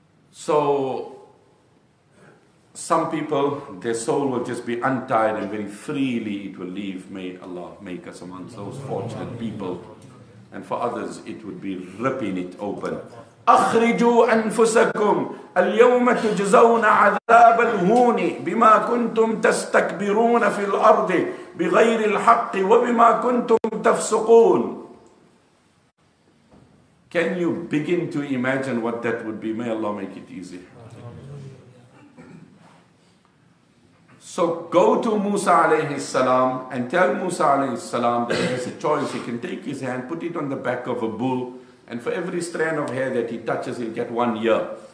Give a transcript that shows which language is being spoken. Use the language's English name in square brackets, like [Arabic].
[English] So some people, their soul will just be untied and very freely it will leave. May Allah make us amongst those fortunate people. And for others, it would be ripping it open. [Arabic] أخرجوا أنفسكم اليوم تجزون عذاب الهون بما كنتم تستكبرون في الأرض بغير الحق وبما كنتم تفسقون. [English] Can you begin to imagine what that would be? May Allah make it easy. So go to Musa alayhi salam and tell Musa alayhi salam that he has a choice. He can take his hand, put it on the back of a bull, and for every strand of hair that he touches, he'll get 1 year.